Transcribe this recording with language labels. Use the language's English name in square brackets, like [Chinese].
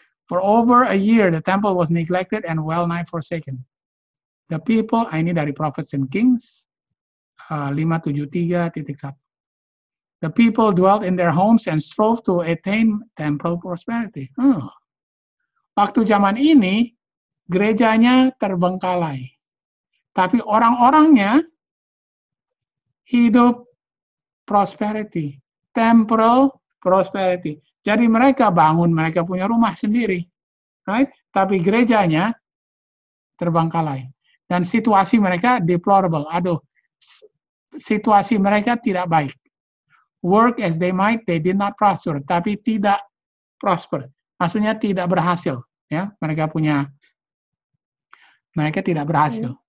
[English] For over a year the temple was neglected and well nigh forsaken. The people, [Indonesian] ini dari Prophets and Kings 573.1. [English] The people dwelt in their homes and strove to attain temple prosperity. [Indonesian] Waktu zaman ini gerejanya terbengkalai. Tapi orang-orangnya hidup prosperity, temporal prosperity. Jadi mereka bangun, mereka punya rumah sendiri. Right? Tapi gerejanya terbengkalai. Dan situasi mereka deplorable. Aduh, situasi mereka tidak baik. [English] Work as they might, they did not prosper. [Indonesian] Tapi tidak prosper. Maksudnya tidak berhasil. Ya, mereka tidak berhasil.